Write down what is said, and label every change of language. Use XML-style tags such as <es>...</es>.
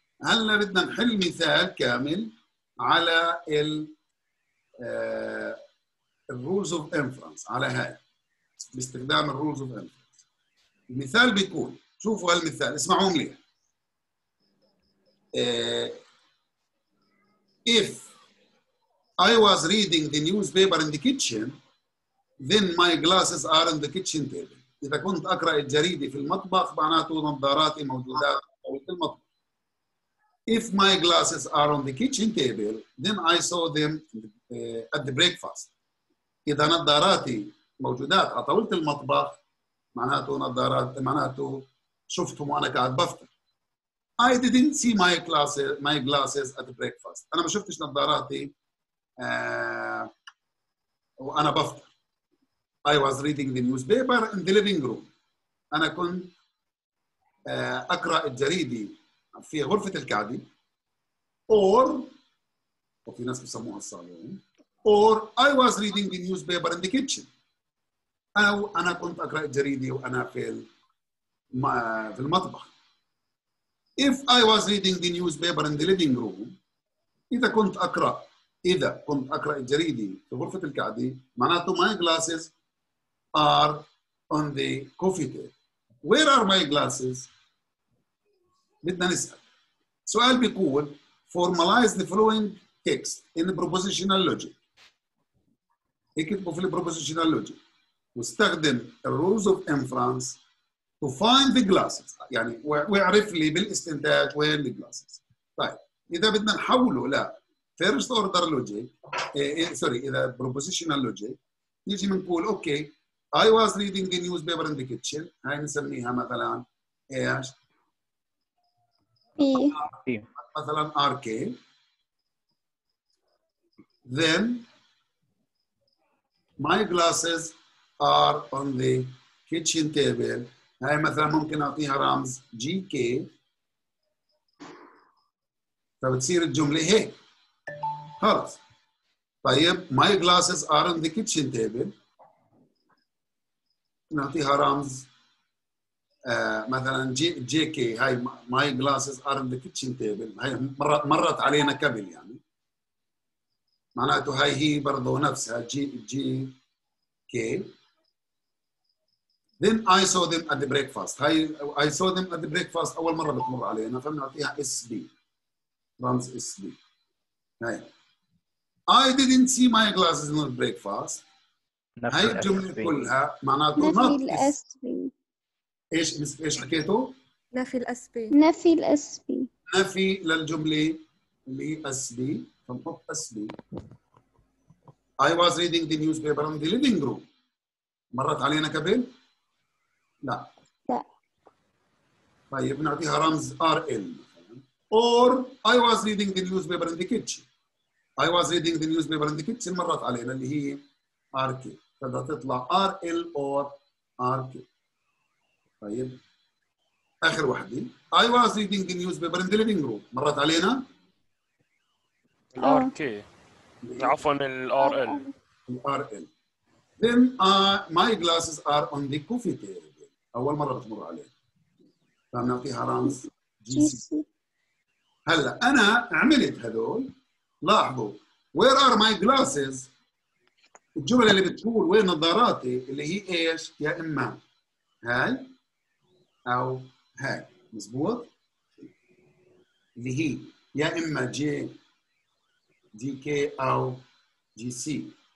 <ar>هلا بدنا نحل مثال كامل على ال rules of inference على هاي باستخدام rules of inference. المثال بيكون، شوفوا هالمثال اسمعوا لي.</ar> <en>If I was reading the newspaper in the kitchen, then my glasses are in the kitchen table.</en> <ar>إذا كنت أقرأ الجريدة في المطبخ معناته نظاراتي موجودة في المطبخ.</ar> <en>If my glasses are on the kitchen table, then I saw them at the breakfast.</en> <ar>إذا نظاراتي موجودة على طاولة المطبخ معناته نظاراتي معناته شفتهم وأنا قاعد بفطر.</ar> <en>I didn't see my glasses at breakfast.</en> <ar>أنا ما شفتش نظاراتي وأنا بفطر.</ar> <en>I was reading the newspaper in the living room.</en> <ar>أنا كنت أقرأ الجريدة في غرفة الكعبة.</ar> <en>Or</en> <ar>وفي ناس بسموها الصالون.</ar> <en>Or I was reading the newspaper in the kitchen.</en> <ar>أو أنا كنت أقرأ الجريدة وأنا في المطبخ.</ar> <en>If I was reading the newspaper in the living room,</en> <ar>إذا كنت أقرأ الجريدة في غرفة الكعدي معناته</ar> <en>my glasses are on the coffee table. Where are my glasses?</en> <ar>بدنا نسأل. سؤال بيقول</ar> <en>formalize the following text in the propositional logic.</en> <ar>اكتبوا في</ar> <en>propositional logic.</en> <ar>واستخدم</ar> <en>rules of inference to find the glasses.</en> <ar>يعني ويعرف لي بالاستنتاج وين</ar> <en>the glasses.</en> <ar>طيب إذا بدنا نحوله لا first order logic إذا propositional logic نيجي منقول</ar> <en>okay I was reading the newspaper in the kitchen.</en> <ar>هاي نسميها مثلا إيش؟ مثلا RK.</ar> <en>Then my glasses are on the kitchen table.</en> <ar>هاي مثلا ممكن اعطيها رمز جي كي، فبتصير الجمله هيك خلص. طيب</ar> <en>my glasses are on the kitchen table،</en> <ar>نعطيها رمز مثلا جي كي. هاي</ar> <en>my glasses are on the kitchen table،</en> <ar>هاي مرت علينا قبل، يعني معناته هاي هي برضه نفسها جي كي.</ar> <en>Then I saw them at the breakfast. I saw them at the breakfast.</en> <ar>أول مرة بتمر علينا فبنعطيها SB. رمز SB.</ar> <en>I didn't see my glasses in the breakfast.</en> <ar>هاي الجملة كلها معناته نفي الـ SB. إيش حكيته؟ نفي الـ SB. نفي الـ SB. نفي للجملة اللي SB. فنحط SB.</ar> <en>I was reading the newspaper in the living room.</en> <ar>مرت علينا قبل؟ لا. طيب نعطيها رمز RL مثلا.</ar> <en>Or I was reading the newspaper in the kitchen. I was reading the newspaper in the kitchen</en> <ar>مرت علينا اللي هي</ar> <en>RK.</en> <ar>فبدها تطلع RL or RK. طيب آخر واحدة.</ar> <en>I was reading the newspaper in the living room.</en> <ar>مرت علينا. RK. عفوا RL. RL.</ar> <en>Then my glasses are on the coffee table.</en> <ar>أول مرة بتمر عليه. فنعطيها رمز جي سي. هلا أنا عملت هدول، لاحظوا</ar> <en>where are my glasses,</en> <ar>الجملة اللي بتقول وين نظاراتي اللي هي إيش؟ يا إما هاي أو هاي، مزبوط؟ اللي هي يا إما جي جي كي أو جي سي.</ar>